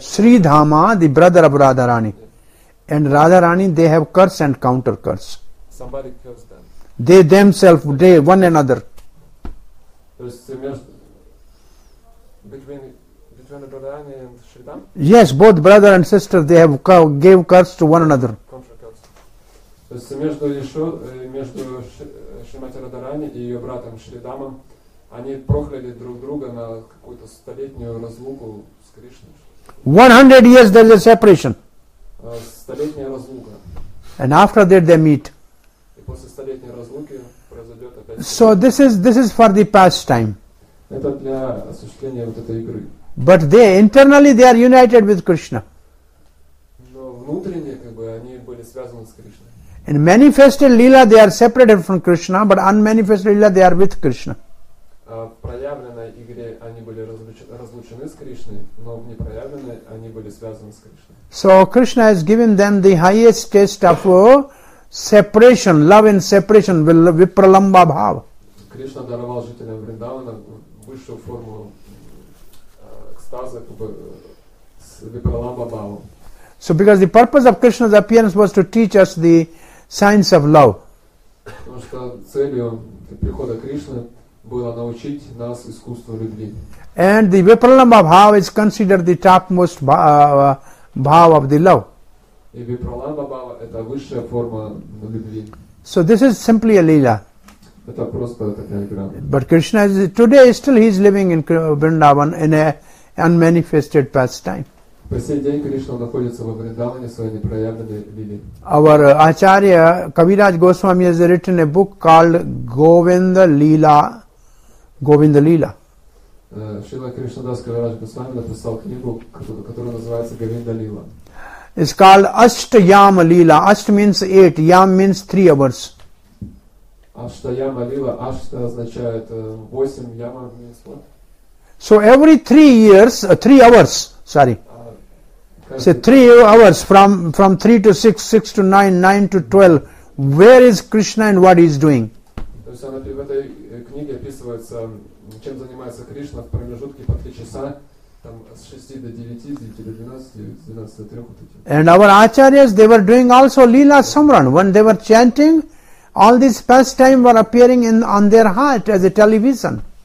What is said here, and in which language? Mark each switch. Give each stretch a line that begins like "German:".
English: Sri Dhama, the brother of Radha Rani, yeah. And Radha Rani, they have curse and counter curse. Somebody cursed them. They one another. Between Radharani and Sri Dhama? Yes, both brother and sister, they have gave curse to one another.
Russian: То есть между Шримати Радхарани и ее братом Шри Дхамом, они прокляли друг друга на какую-то столетнюю разлуку с Кришной.
English: 100 years there's a separation.
Russian: Столетняя разлука.
English: And after that they meet.
Russian: И после столетней разлуки.
English: So this is for the pastime.
Russian: Это для осуществления вот этой игры.
English: But they internally they are united with Krishna.
Russian: Но внутренне как бы они были связаны с Кришной.
English: In manifested lila they are separated from Krishna, but unmanifested lila they are with Krishna.
Russian: В проявленной игре они были разлучены с Кришной, но в непроявленной они были связаны с Кришной.
English: So Krishna has given them the highest test of separation, love in separation, vipralamba bhava.
Russian: Кришна даровал жителям Вриндавана высшую форму экстаза, vipralamba bhava.
English: So because the purpose of Krishna's appearance was to teach us the science of love.
Russian: Потому что целью прихода Кришны было научить нас искусству любви.
English: And the vipralamba bhava is considered the topmost bhava of the love.
Russian: И випраламба бхава – это высшая форма любви.
English: So this is simply a lila.
Russian: Это просто такая игра.
English: But Krishna is, today still he is living in Vrindavan in a unmanifested pastime.
Russian: По сей день Кришна находится во Вриндаване в своей непроявленной лиле.
English: Our Acharya Kaviraj Goswami has written a book called Govinda Lila. Govinda Lila.
Russian: Шрила Кришнадас Кавирадж Госвами написал книгу, которая называется Govinda Lila.
English: It's called Ashtayama Lila. Asht means eight. Yam means 3 hours. Ashtayama Lila. Ashta
Russian: означает
English: 8. Yama means what? So every 3 years, 3 hours, sorry. So 3 hours from 3 to 6, 6 to 9, 9 to 12. Where is Krishna and what he is doing?
Russian: То есть она в этой книге описывается, чем занимается Кришна в промежутке по 3 часа.
English: And our acharyas, they were doing also Leela Samran. When they were chanting, all these pastimes were appearing on their heart as a television.